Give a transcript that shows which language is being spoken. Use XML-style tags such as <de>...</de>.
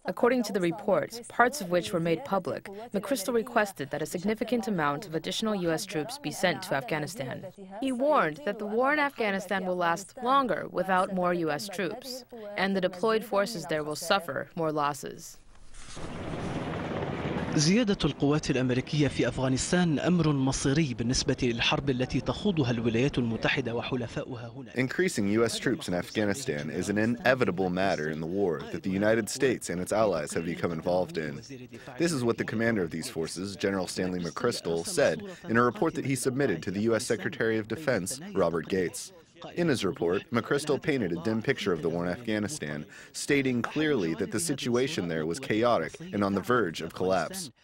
<en>According to the report, parts of which were made public, McChrystal requested that a significant amount of additional U.S. troops be sent to Afghanistan. He warned that the war in Afghanistan will last longer without more U.S. troops, and the deployed forces there will suffer more losses.</en> <ar>زيادة القوات الأمريكية في أفغانستان أمر مصيري بالنسبة للحرب التي تخوضها الولايات المتحدة وحلفاؤها هناك.</ar> <en>Increasing U.S. troops in Afghanistan is an inevitable matter in the war that the United States and its allies have become involved in. This is what the commander of these forces, General Stanley McChrystal, said in a report that he submitted to the U.S. Secretary of Defense, Robert Gates. In his report, McChrystal painted a dim picture of the war in Afghanistan, stating clearly that the situation there was chaotic and on the verge of collapse.</en>